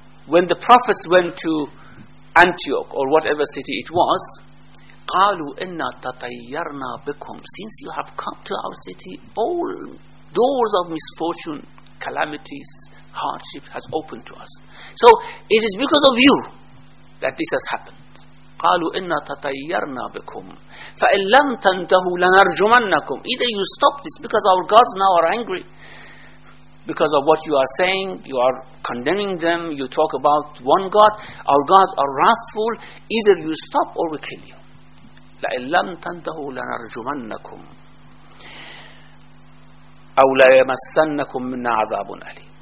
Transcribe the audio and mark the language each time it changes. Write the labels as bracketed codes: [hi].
[en] When the prophets went to Antioch, or whatever city it was, [ar] قالوا إنا تطيرنا بكم. [en] Since you have come to our city, all doors of misfortune, calamities, hardship has opened to us. So it is because of you that this has happened. [ar] قالوا إنا تطيرنا بكم فإن لم تنتهوا لنرجمنكم. [en] Either you stop this because our gods now are angry because of what you are saying, you are condemning them, you talk about one God, our gods are wrathful, either you stop or we kill you. [ar] لَإِنْ لَمْ تَنْتَهُوا لَنَرْجُمَنَّكُمْ أَوْ لَيَمَسَّنَّكُمْ مِنَّا عَذَابٌ أَلِيمٌ.